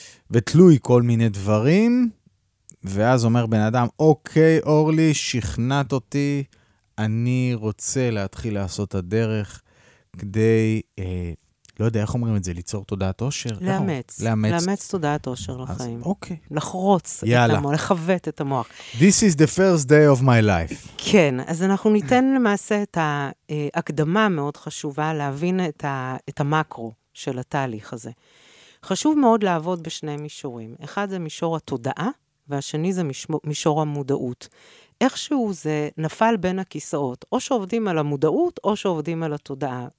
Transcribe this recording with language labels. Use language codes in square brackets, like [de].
[he] ותלוי כל מיני דברים, ואז אומר בן אדם, אוקיי, אורלי, שכנעת אותי, אני רוצה להתחיל לעשות את הדרך כדי, לא יודע איך אומרים את זה, ליצור תודעת אושר? לאמץ תודעת אושר לחיים. אוקיי. לחרוץ את המוח, לחוות את המוח. [en] This is the first day of my life. [he] כן, אז אנחנו ניתן למעשה את ההקדמה המאוד חשובה להבין את המקרו של התהליך הזה. חשוב מאוד לעבוד בשני מישורים. אחד זה מישור התודעה, והשני זה מישור המודעות. איכשהו זה נפל בין הכיסאות, או שעובדים על המודעות, או שעובדים על התודעה.